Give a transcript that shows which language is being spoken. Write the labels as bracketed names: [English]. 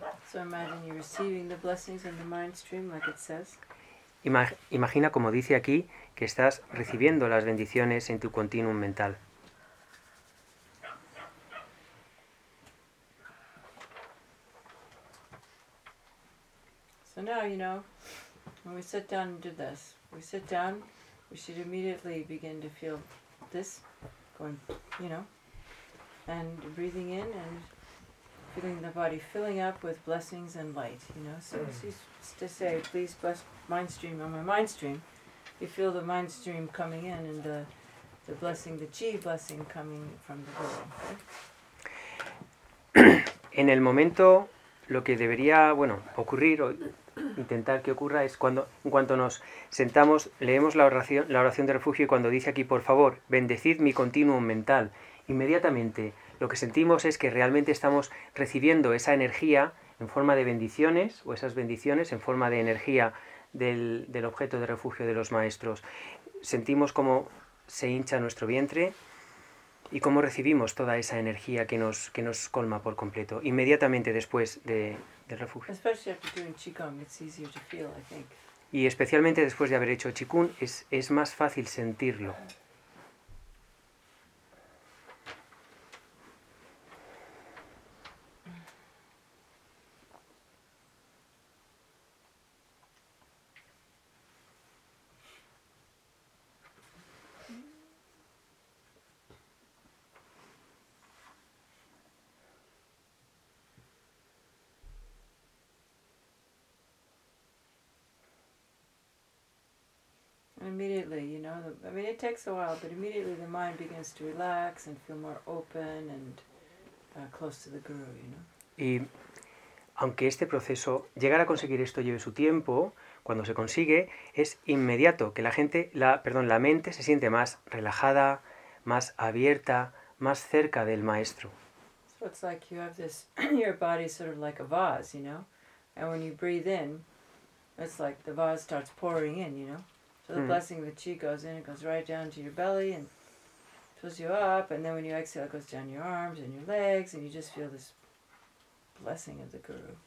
[English] So imagine you're receiving the blessings in the mind stream, like it says. [Spanish] Imagina, como dice aquí, que estás recibiendo las bendiciones en tu continuum mental. [English] So now, you know, when we sit down and do this, we sit down, we should immediately begin to feel this going, you know, and breathing in and feeling the body filling up with blessings and light, you know. So it's to say, please bless mind stream on my mind stream. You feel the mind stream coming in and the blessing, the chi blessing coming from the body. Okay? [Spanish] En el momento, lo que debería, bueno, ocurrir o intentar que ocurra es cuando, en cuanto nos sentamos, leemos la oración de refugio y cuando dice aquí, por favor, bendecid mi continuum mental, inmediatamente lo que sentimos es que realmente estamos recibiendo esa energía en forma de bendiciones, o esas bendiciones en forma de energía del objeto de refugio de los maestros. Sentimos cómo se hincha nuestro vientre y cómo recibimos toda esa energía que nos colma por completo, inmediatamente después del refugio. [English] Especially after doing Qigong, it's easier to feel, I think. [Spanish] Y especialmente después de haber hecho Qigong, es más fácil sentirlo. [English] Immediately, you know, it takes a while, but immediately the mind begins to relax and feel more open and close to the guru, you know. [Spanish] Y aunque este proceso, llegar a conseguir esto lleve su tiempo, cuando se consigue, es inmediato que la mente se siente más relajada, más abierta, más cerca del maestro. [English] So it's like you have this, your body sort of like a vase, you know, and when you breathe in, It's like the vase starts pouring in, you know? So the blessing of the chi goes in, it goes right down to your belly and fills you up. And then when you exhale, it goes down your arms and your legs, and you just feel this blessing of the guru.